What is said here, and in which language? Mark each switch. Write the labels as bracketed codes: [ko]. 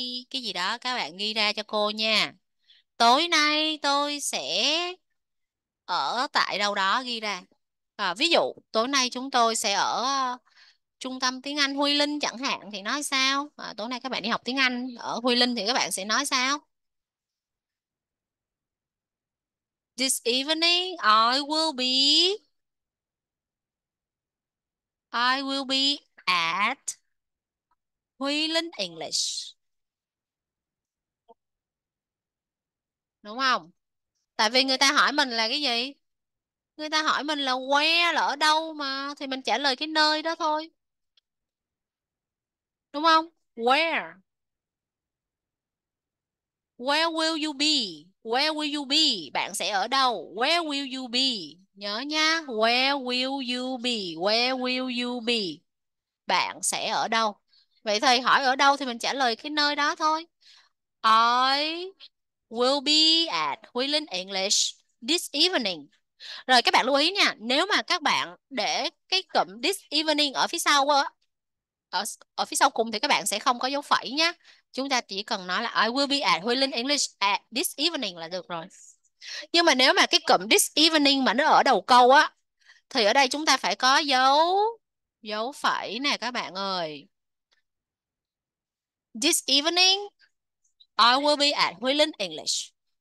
[vi] Cái gì đó các bạn ghi ra cho cô nha. Tối nay tôi sẽ ở tại đâu đó ghi ra. À, ví dụ, tối nay chúng tôi sẽ ở trung tâm tiếng Anh Huy Linh chẳng hạn thì nói sao? À, tối nay các bạn đi học tiếng Anh ở Huy Linh thì các bạn sẽ nói sao? [en] This evening, I will be at Huy Linh English. [vi] Đúng không? Tại vì người ta hỏi mình là cái gì? Người ta hỏi mình là where, là ở đâu mà. Thì mình trả lời cái nơi đó thôi. Đúng không? Where? [en] Where will you be? Where will you be? [vi] Bạn sẽ ở đâu? [en] Where will you be? [vi] Nhớ nha. [en] Where will you be? Where will you be? [vi] Bạn sẽ ở đâu? Vậy thì hỏi ở đâu thì mình trả lời cái nơi đó thôi. [en] I will be at Huy Linh English this evening. [vi] Rồi các bạn lưu ý nha, nếu mà các bạn để cái cụm [en] this evening [vi] ở phía sau á, ở phía sau cùng thì các bạn sẽ không có dấu phẩy nhé. Chúng ta chỉ cần nói là [en] I will be at Huy Linh English at this evening [vi] là được rồi. Nhưng mà nếu mà cái cụm [en] this evening [vi] mà nó ở đầu câu á, thì ở đây chúng ta phải có dấu phẩy nè các bạn ơi. [en] This evening, I will be at Huy Linh English.